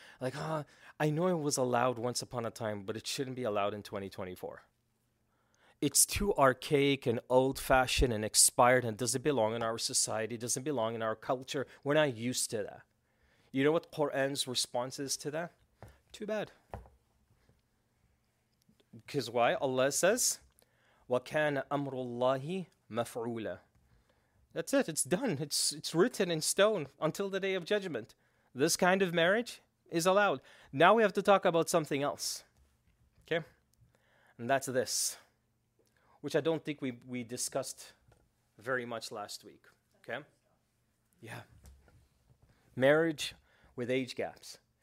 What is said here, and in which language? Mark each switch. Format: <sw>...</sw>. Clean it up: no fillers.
<en>Like, I know it was allowed once upon a time, but it shouldn't be allowed in 2024. It's too archaic and old-fashioned and expired and doesn't belong in our society, doesn't belong in our culture. We're not used to that. You know what Quran's response is to that? Too bad. Because why? Allah says,</en> <ar>وَكَانَ أَمْرُ اللَّهِ مَفْعُولًا.</ar> <en>That's it. It's done. It's written in stone until the day of judgment. This kind of marriage is allowed. Now we have to talk about something else. Okay? And that's this, which I don't think we discussed very much last week. Okay? Yeah. Marriage with age gaps.</en>